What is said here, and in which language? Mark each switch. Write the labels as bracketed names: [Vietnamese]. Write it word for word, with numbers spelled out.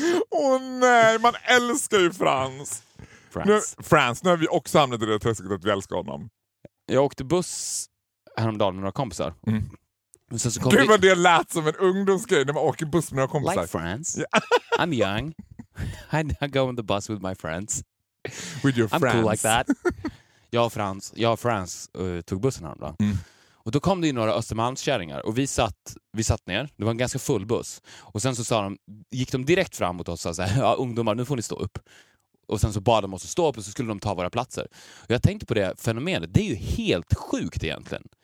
[Swedish] Åh oh, nej, man älskar ju Frans. Frans. Nu, Frans, nu har vi också hamnat i det träsket att vi älskar honom. Jag åkte buss häromdagen med några kompisar. Mm. Sen så kom det vi... var det lät som en ungdomsgrej när man åker buss med några kompisar. [English] Like Frans. Yeah. I'm young. I go on the bus with my friends. With your I'm friends. I'm cool like that. [Swedish] Jag och Frans, jag och Frans uh, tog bussen här då. Mm. Och då kom det ju några Östermalmskärringar. Och vi satt, vi satt ner. Det var en ganska full buss. Och sen så sa de, gick de direkt fram mot oss och sa, ja, ungdomar, nu får ni stå upp. Och sen så bad de oss att stå upp och så skulle de ta våra platser. Och jag tänkte på det fenomenet. Det är ju helt sjukt egentligen.